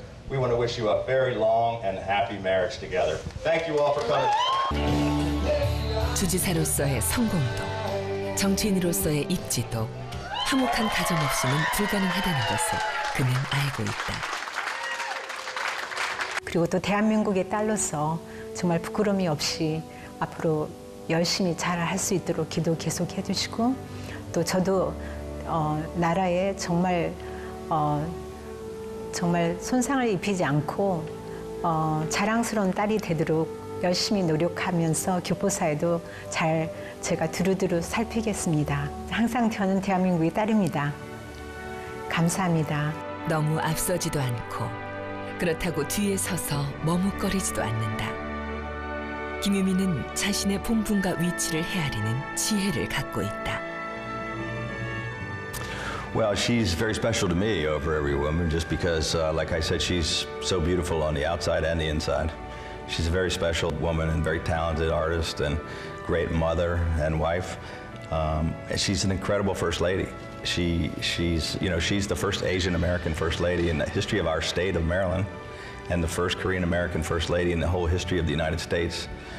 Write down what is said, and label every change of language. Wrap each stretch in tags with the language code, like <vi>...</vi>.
<en>We want to wish you a very long and happy marriage together. Thank you all for coming.</en> <ko>주지사로서의 성공도, 정치인으로서의 입지도, 화목한 가정 없이는 불가능하다는 것을 그는 알고 있다. 그리고 또 대한민국의 딸로서 정말 부끄러움이 없이 앞으로 열심히 잘할 수 있도록 기도 계속 해주시고 또 저도 나라에 정말 정말 손상을 입히지 않고 자랑스러운 딸이 되도록 열심히 노력하면서 교포사에도 잘 제가 두루두루 살피겠습니다. 항상 저는 대한민국의 딸입니다. 감사합니다. 너무 앞서지도 않고 그렇다고 뒤에 서서 머뭇거리지도 않는다. 김유미는 자신의 본분과 위치를 헤아리는 지혜를 갖고 있다.</ko> <en>Well, she's very special to me over every woman just because, like I said, she's so beautiful on the outside and the inside. She's a very special woman and very talented artist and great mother and wife. And she's an incredible first lady. She's the first Asian American first lady in the history of our state of Maryland and the first Korean American first lady in the whole history of the United States.</en>